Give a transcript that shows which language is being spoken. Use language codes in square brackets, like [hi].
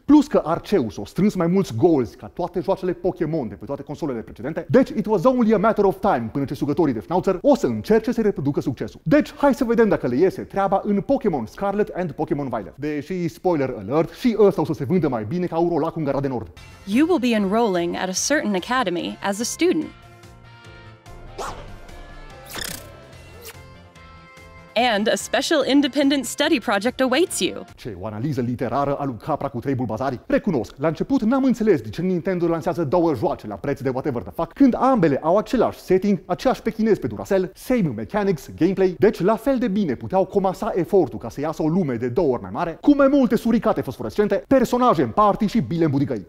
[ro] Plus că Arceus a strâns mai mulți goals ca toate joacele Pokémon de pe toate consolele precedente, deci [en] it was only a matter of time [ro] până ce sugătorii de Schnauzer o să încerce să reproducă succesul. Deci hai să vedem dacă le iese treaba în Pokémon Scarlet and Pokémon Violet. Deși, spoiler alert, și ăsta o să se vândă mai bine ca Urolac în Gara de Nord. [en] You will be enrolling at a certain academy as a student. And a special independent study project awaits you. [ro] Ce o analiză literară a lui Capra cu trei bulbazari? Recunosc, la început n-am înțeles de ce Nintendo lansează două joace la preț de [en] whatever the fuck, [ro] când ambele au același setting, aceeași pechinez pe Duracell, same mechanics, gameplay, deci la fel de bine puteau comasa efortul ca să iasă o lume de două ori mai mare, cu mai multe suricate fosforescente, personaje în party și bile în budicăi.